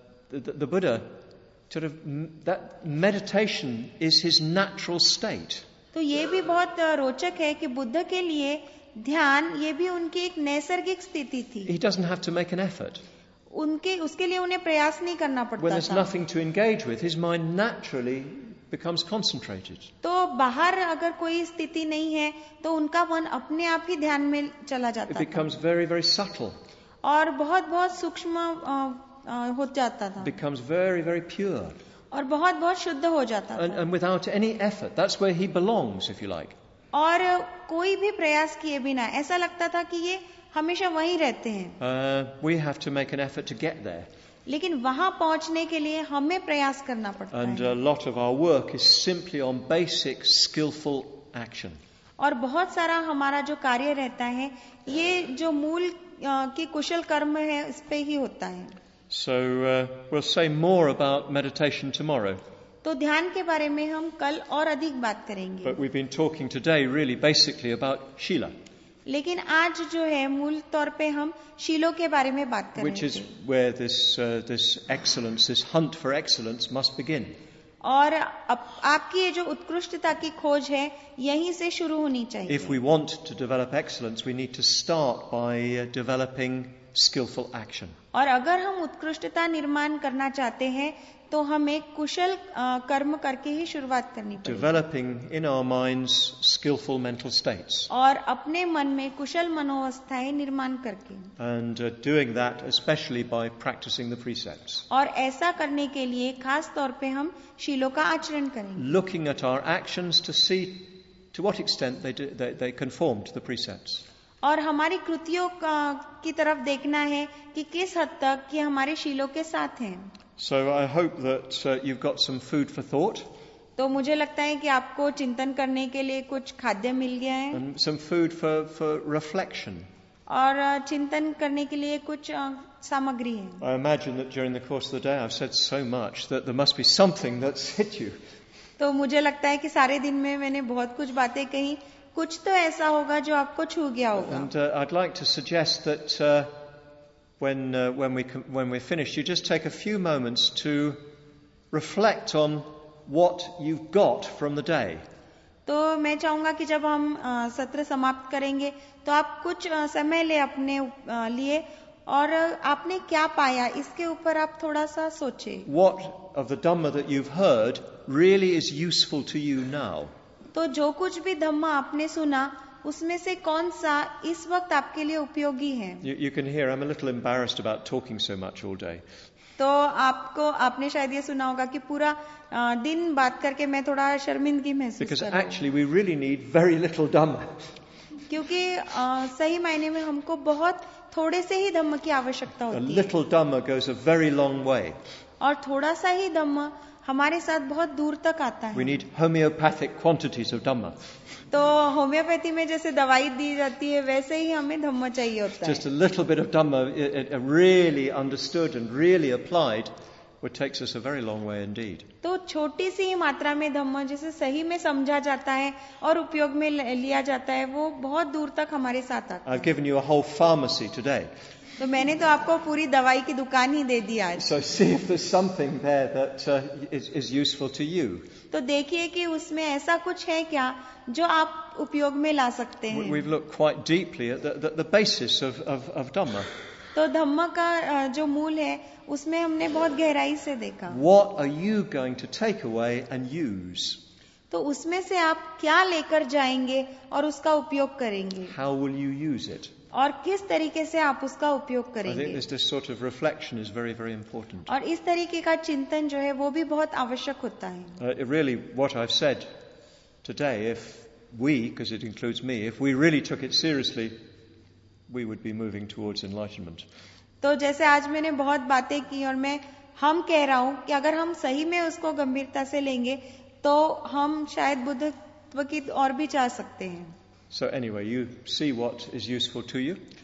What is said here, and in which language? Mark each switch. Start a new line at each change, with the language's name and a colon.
English: The Buddha, sort of, that meditation is his natural state.
Hindi: तो ये भी बहुत रोचक है कि बुद्ध के लिए ध्यान ये भी उनकी एक नैसर्गिक स्थिति थी.
English: He doesn't have to make an effort.
Hindi: उसके लिए उन्हें प्रयास नहीं करना पड़ता था.
English: When there's nothing to engage with, his mind naturally becomes concentrated.
Hindi: तो बाहर अगर कोई स्थिति नहीं है तो उनका मन अपने आप ही ध्यान में चला जाता था.
English: It becomes very, very subtle.
Hindi: और बहुत बहुत सूक्ष्म हो जाता था.
English: Becomes very, very pure.
Hindi: और बहुत बहुत शुद्ध हो जाता था.
English: And without any effort, that's where he belongs, if you like.
Hindi: और कोई भी प्रयास किए बिना ऐसा लगता था कि ये हमेशा वहीं रहते हैं.
English: We have to make an effort to get there.
Hindi: लेकिन वहां पहुंचने के लिए हमें प्रयास करना पड़ता
English: And
Hindi: है.
English: And a lot of our work is simply on basic skillful action.
Hindi: और बहुत सारा हमारा जो कार्य रहता है ये जो मूल की कुशल कर्म है इस पे ही होता है.
English: So we'll say more about meditation tomorrow.
Hindi: तो ध्यान के बारे में हम कल और अधिक बात करेंगे.
English: But we've been talking today really basically about Shila.
Hindi: लेकिन आज जो है मूल तौर पे हम शीलों के बारे में बात कर रहे हैं.
English: Which is where this excellence, this hunt for excellence must begin.
Hindi: और आपकी ये जो उत्कृष्टता की खोज है यहीं से शुरू होनी चाहिए.
English: If we want to develop excellence, we need to start by developing skillful action.
Hindi: और अगर हम उत्कृष्टता निर्माण करना चाहते हैं तो हमें कुशल कर्म करके ही शुरुआत करनी पड़ेगी.
English: Developing in our minds skillful mental states.
Hindi: और अपने मन में कुशल मनोवस्थाएं निर्माण करके.
English: And doing that especially by practicing the precepts.
Hindi: और ऐसा करने के लिए खास तौर पे हम शीलों का आचरण करेंगे.
English: Looking at our actions to see to what extent they conform to the precepts.
Hindi: और हमारी कृतियों की तरफ देखना है कि किस हद तक ये हमारे शीलों के साथ हैं.
English: So I hope that you've got some food for thought.
Hindi: तो मुझे लगता है कि आपको चिंतन करने के लिए कुछ खाद्य मिल गया है.
English: And some food for reflection.
Hindi: और चिंतन करने के लिए कुछ सामग्री है.
English: I imagine that during the course of the day I've said so much that there must be something that's hit you.
Hindi: तो मुझे लगता है कि सारे दिन में मैंने बहुत कुछ बातें कही. कुछ तो ऐसा होगा जो आपको छू गया होगा.
English: And I'd like to suggest that when we're finished, you just take a few moments to reflect on what you've got from the day.
Hindi: तो मैं चाहूँगा कि जब हम सत्र समाप्त करेंगे, तो आप कुछ समय ले अपने लिए और आपने क्या पाया इसके ऊपर आप थोड़ा सा सोचे.
English: What of the Dhamma that you've heard really is useful to you now?
Hindi: तो जो कुछ भी धम्मा आपने सुना उसमें से कौन सा इस वक्त आपके लिए उपयोगी है.
English: You can hear I'm a little embarrassed about talking so much all day.
Hindi: तो आपने शायद ये सुना होगा कि पूरा दिन बात करके मैं थोड़ा शर्मिंदगी महसूस कर रहा हूं.
English: Because actually we really need very little dhamma.
Hindi: क्योंकि सही मायने में हमको बहुत थोड़े से ही धम्म की आवश्यकता होती है.
English: A little dhamma goes a very long way.
Hindi: और थोड़ा सा ही धम्म हमारे साथ बहुत दूर तक आता है.
English: We need homeopathic quantities of dhamma.
Hindi: तो होम्योपैथी में जैसे दवाई दी जाती है वैसे ही हमें धम्म चाहिए होता है.
English: Just a little bit of dhamma, really understood and really applied, would take us a very long way indeed.
Hindi: तो छोटी सी ही मात्रा में धम्म जिसे सही में समझा जाता है और उपयोग में लिया जाता है वो बहुत दूर तक हमारे साथ आता है.
English: I've given you a whole pharmacy today.
Hindi: तो मैंने तो आपको पूरी दवाई की दुकान ही दे दी आज.
English: So see if there's something there that is useful to you.
Hindi: तो देखिए कि उसमें ऐसा कुछ है क्या जो आप उपयोग में ला सकते हैं.
English: We've looked quite deeply at the basis of Dhamma.
Hindi: तो धम्म का जो मूल है उसमें हमने बहुत गहराई से देखा.
English: What are you going to take away and use?
Hindi: तो उसमें से आप क्या लेकर जाएंगे और उसका उपयोग करेंगे.
English: How will you use it?
Hindi: और किस तरीके से आप उसका उपयोग करेंगे.
English: This sort of reflection is very, very important.
Hindi: और इस तरीके का चिंतन जो है वो भी बहुत आवश्यक होता है.
English: Really, what I've said today, if we, because it includes me, if we really took it seriously, we would be moving towards enlightenment.
Hindi: तो जैसे आज मैंने बहुत बातें की और मैं हम कह रहा हूँ कि अगर हम सही में उसको गंभीरता से लेंगे तो हम शायद बुद्धत्व की और भी जा सकते हैं.
English: So anyway, you see what is useful to you.